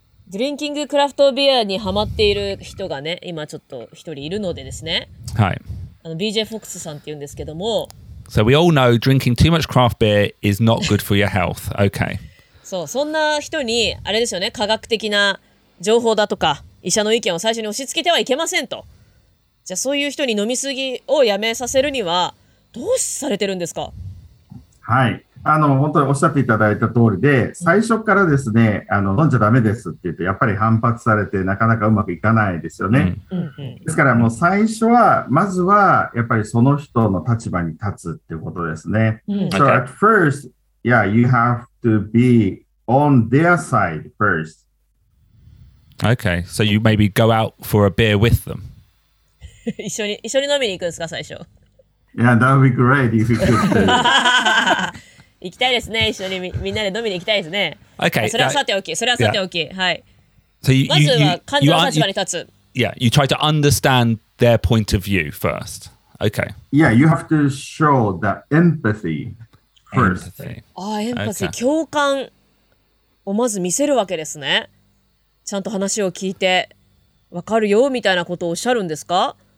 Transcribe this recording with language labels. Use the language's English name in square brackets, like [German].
[Japanese] ドリンキングクラフトビアにハマっている人がね、今ちょっと一人いるのでですね。はい。 BJ Fox さんって言うんですけども。 [English] So we all know drinking too much craft beer is not good for your health. Okay. [Japanese] そう、そんな人に、あれですよね、科学的な情報だとか、医者の意見を最初に押し付けてはいけませんと。じゃあそういう人に飲みすぎをやめさせるには、どうされてるんですか? はい。本当におっしゃっていただいた通りで、最初からですね、飲んじゃダメですって言って、やっぱり反発されて、なかなかうまくいかないですよね。ですから、もう最初は、まずは、やっぱりその人の立場に立つっていうことですね。 [English] So at first, yeah, you have to be on their side first. Okay, so you maybe go out for a beer with them. [Japanese] 一緒に飲みに行くんですか、最初。 [English] Yeah, that would be great if you could do it. [Japanese] 行きたいですね。一緒にみんなで飲みに行きたいですね。 [English] Okay, [Japanese] それはさておき。それはさておき。 [English] Yeah. [Japanese] はい。 [English] So、 [Japanese] まずは患者の立場に立つ。 [English] Yeah, you try to understand their point of view first. Okay. Yeah, you have to show the empathy first. Empathy. [Japanese] ああ、エンパシー、共感をまず見せるわけですね。ちゃんと話を聞いて、わかるよみたいなことをおっしゃるんですか?